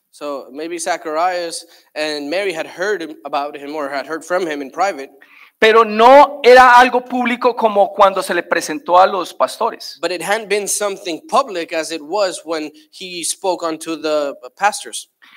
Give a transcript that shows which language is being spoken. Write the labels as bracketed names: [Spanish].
[English] So maybe Zacharias and Mary had heard about him or had heard from him in private. [Spanish] Pero no era algo público como cuando se le presentó a los pastores. [English] But it hadn't been something public as it was when he spoke unto the pastors.